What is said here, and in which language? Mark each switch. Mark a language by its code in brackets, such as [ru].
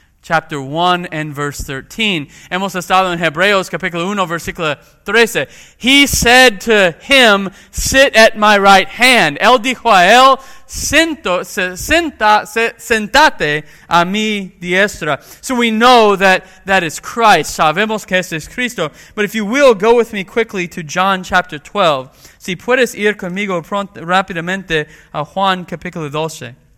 [en] chapter 1 and verse 13. [es] Hemos estado en Hebreos capítulo 1, versículo 13. [en] He said to him, sit at my right hand. [es] Él dijo a él, sentate a mi diestra. [en] So we know that that is Christ. [es] Sabemos que es Cristo. [en] But if you will, go with me quickly to John chapter 12. [es] Si puedes ir conmigo pronto, rápidamente a Juan capítulo 12.